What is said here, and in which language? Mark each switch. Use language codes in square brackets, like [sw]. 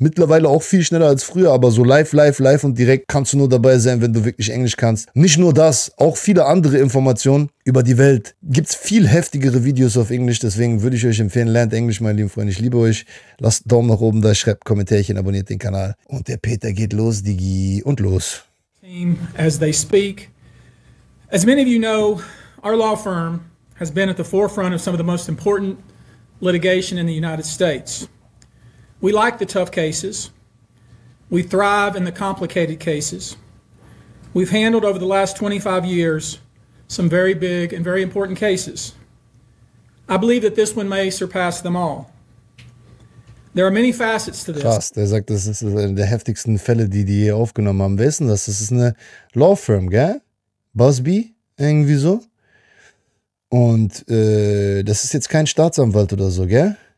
[de] Mittlerweile auch viel schneller als früher, aber so live und direkt kannst du nur dabei sein, wenn du wirklich Englisch kannst. Nicht nur das, auch viele andere Informationen über die Welt. Gibt's viel heftigere Videos auf Englisch, deswegen würde ich euch empfehlen, lernt Englisch, meine lieben Freunde. Ich liebe euch. Lasst einen Daumen nach oben da, schreibt ein Kommentärchen, abonniert den Kanal. Und der Peter geht los, Digi, und los. [en] Team, as they speak, as many of you know, our law firm has been at the forefront of some of the most important litigation in the United States. We like the tough cases. We thrive in the complicated cases. We've handled over the last 25 years some very big and very important cases. I believe that this one may surpass them all. There are many facets to this. [de] Krass, der sagt, das ist eine der heftigsten Fälle, die hier aufgenommen haben. Wer ist denn das? Das ist eine law firm, gell? Busby? Irgendwie so? Und das ist jetzt kein Staatsanwalt oder so, gell?